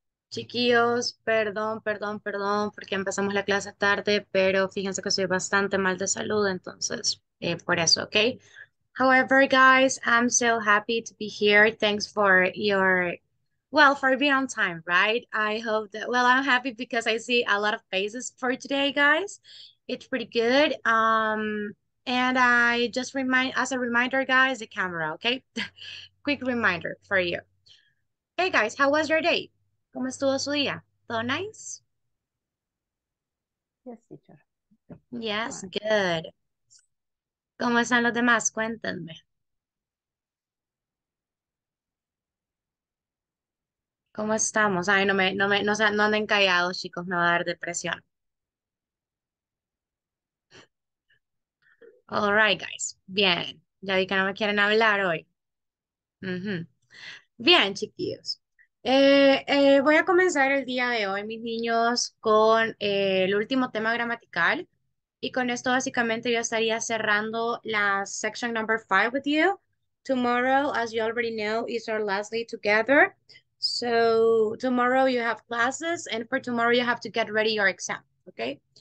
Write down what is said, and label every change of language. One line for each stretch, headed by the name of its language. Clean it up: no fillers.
Spanish: Chiquillos, perdón, perdón, perdón, porque empezamos la clase tarde, pero fíjense que estoy bastante mal de salud, entonces por eso, ¿ok?
English: However, guys, I'm so happy to be here. Thanks for your, well, for being on time, right? I hope that, well, I'm happy because I see a lot of faces for today, guys. It's pretty good. And I just remind, as a reminder, guys, the camera, okay? Quick reminder for you. Hey guys, how was your day?
Spanish: ¿Cómo estuvo su día? ¿Todo nice?
English: Yes, teacher. Yes, Fine. good.
Spanish: ¿Cómo están los demás? Cuéntenme. ¿Cómo estamos? Ay, no anden callados, chicos, me va a dar depresión.
English: All right, guys.
Spanish: Bien. Ya vi que no me quieren hablar hoy. Bien, chiquillos. Voy a comenzar el día de hoy, mis niños, con el último tema gramatical. Y con esto, básicamente, yo estaría cerrando la
English: section number 5 with you. Tomorrow, as you already know, is our last day together. So, tomorrow you have classes, and for tomorrow you have to get ready your exam, okay?